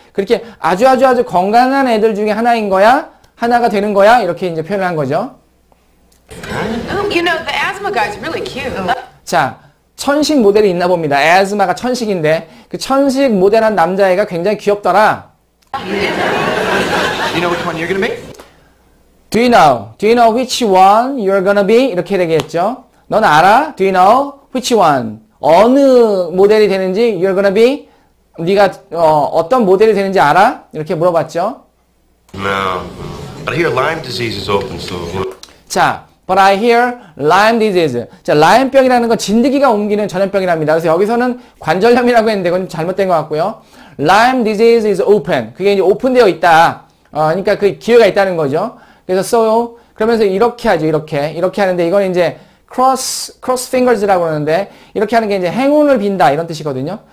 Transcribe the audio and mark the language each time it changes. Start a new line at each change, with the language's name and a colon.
Korean: 그렇게 아주 아주 아주 건강한 애들 중에 하나인 거야? 하나가 되는 거야? 이렇게 이제 표현을 한 거죠.
English: You know, the asthma guy's really cute.
Korean: 자, 천식 모델이 있나 봅니다. 에즈마가 천식인데 그 천식 모델 한 남자애가 굉장히 귀엽더라.
English: You know which one you're gonna be? Do you know which one you're gonna be?
Korean: 이렇게 되겠죠. 넌 알아?
English: Do you know which one?
Korean: 어느 모델이 되는지
English: you're gonna be?
Korean: 네가 어떤 모델이 되는지 알아? 이렇게 물어봤죠.
English: No. But I hear Lyme disease is open, so... 자, But I hear Lyme disease.
Korean: 자, 라임병이라는 건 진드기가 옮기는 전염병이랍니다. 그래서 여기서는 관절염이라고 했는데 그건 잘못된 것 같고요.
English: Lyme disease is open.
Korean: 그게 이제 오픈되어 있다. 그러니까 그 기회가 있다는 거죠. 그래서 so, 그러면서 이렇게 하죠. 이렇게 하는데 이건 이제 cross fingers라고 하는데 이렇게 하는 게 이제 행운을 빈다 이런 뜻이거든요.